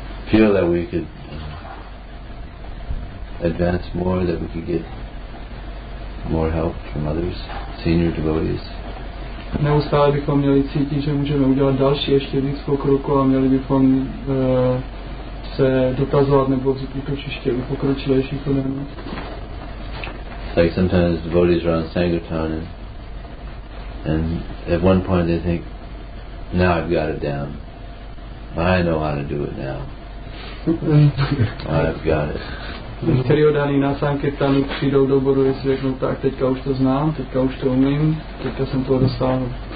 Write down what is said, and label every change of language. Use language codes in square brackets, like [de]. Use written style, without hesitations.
[en] feel that we could advance more, that we could get more help from others, senior devotees. [cs] Neustále bychom měli cítit, že můžeme udělat další ještě víc pokroku a měli bychom se dotazovat nebo vzít útočiště u pokročilejších to nevím. [en] Like sometimes devotees are on Sangirtan and at one point they think, now I've got it down. I know how to do it now. I've got it. [cs] Některý odhaní na Sankirtanu přijdou do bodu, jestli řeknou, tak teďka už to znám, teďka už to umím, teďka jsem toho dostáhnu.